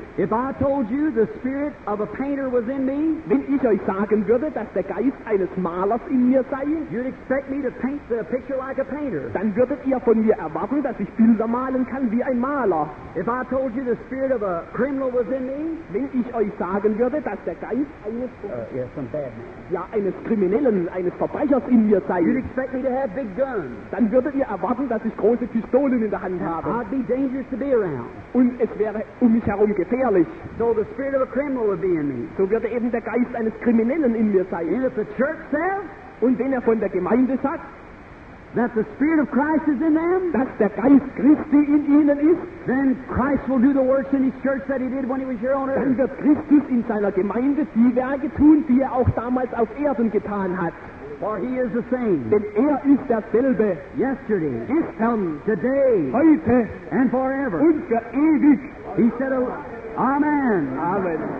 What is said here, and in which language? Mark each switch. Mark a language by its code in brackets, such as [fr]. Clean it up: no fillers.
[en] If I told you the spirit of a painter was in me, [de] wenn ich euch sagen würde, dass der Geist eines Malers in mir sei, [en] you'd expect me to paint the picture like a painter. [de] Dann würdet ihr von mir erwarten, dass ich Bilder malen kann wie ein Maler. [en] If I told you the spirit of a criminal was in me, [de] wenn ich euch sagen würde, dass der Geist eines [en] some bad man. [de] Ja, eines Kriminellen, eines Verbrechers in mir sei, [en] you'd expect me to have big guns. [de] Dann würdet ihr erwarten, dass ich große Pistolen in der Hand habe. [en] I'd be dangerous to be around. [de] Und es wäre um mich herum gefährlich. [en] So the spirit of a criminal would be in me. [de] So würde eben der Geist eines Kriminellen in mir sein. [en] And if the church says, [de] und wenn von der Gemeinde sagt, [en] that the spirit of Christ is in them, [de] dass der Geist Christi in ihnen ist, [en] then Christ will do the works in his church that he did when he was here on earth. [de] Dann wird Christus in seiner Gemeinde die Werke tun, die auch damals auf Erden getan hat. [en] For he is the same. [de] Denn ist dasselbe. [en] Yesterday, [de] gestern, [en] today, [de] heute, [en] and forever. [de] Und für ewig. [en] He said, amen. [de] Amen.